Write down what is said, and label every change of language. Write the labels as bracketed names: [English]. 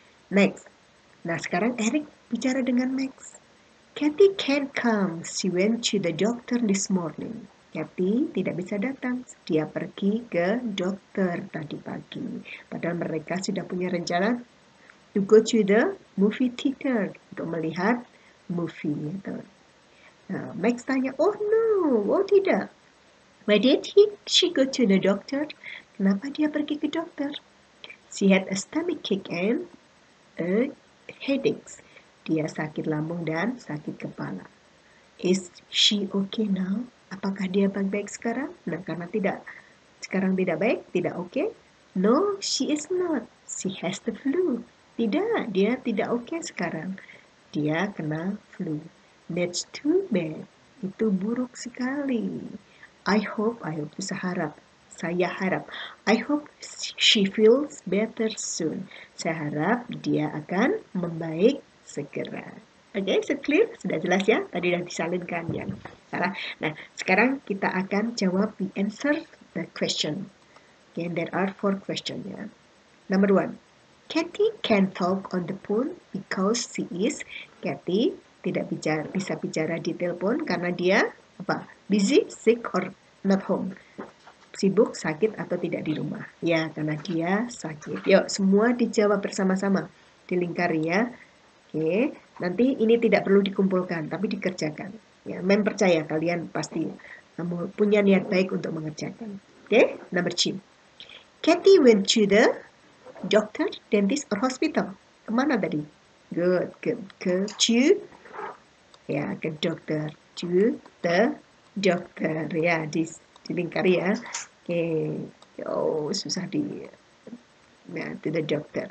[English] Next, [Indonesian] nah sekarang Eric bicara dengan Max. [English] Katie can't come, she went to the doctor this morning. [Indonesian] Katie tidak bisa datang, dia pergi ke dokter tadi pagi, padahal mereka sudah punya rencana [English] to go to the movie theater, [Indonesian] untuk melihat movie. Nah, Max tanya, [English] oh no, [Indonesian] oh tidak. [English] Why did she go to the doctor? [Indonesian] Kenapa dia pergi ke dokter? [English] She had a stomach ache and a headache. [Indonesian] Dia sakit lambung dan sakit kepala. [English] Is she okay now? [Indonesian] Apakah dia baik-baik sekarang? Nah, karena tidak, sekarang tidak baik, tidak okay. [English] No, she is not. She has the flu. [Indonesian] Tidak, dia tidak okay sekarang. Dia kena flu. [English] That's too bad. [Indonesian] Itu buruk sekali. [English] I hope, [Indonesian] bisa harap. Saya harap. [English] I hope she feels better soon. [Indonesian] Saya harap dia akan membaik segera. [English] Okay, so clear? [Indonesian] Sudah jelas ya? Tadi sudah disalinkan ya. Salah. Nah, sekarang kita akan jawab [English] the answer the question. Okay, there are four questions ya. Number one. Katie can talk on the phone because she is. [Indonesian] Katie tidak bisa bicara di telepon karena dia apa? [English] Busy, sick, or not home. [Indonesian] Sibuk, sakit, atau tidak di rumah. Ya, karena dia sakit. Yuk, semua dijawab bersama-sama. Dilingkari ya. Oke, nanti ini tidak perlu dikumpulkan, tapi dikerjakan. Ya, mem percaya kalian pasti punya niat baik untuk mengerjakan. [English] Oke, number two. Katie went to the doctor, dentist, or hospital. [Indonesian] Kemana tadi? [English] Good. [Indonesian] Ke dokter. [English] To the [Indonesian] dokter ya di lingkar ya. Oke, oh susah di ya, [English] to the doctor.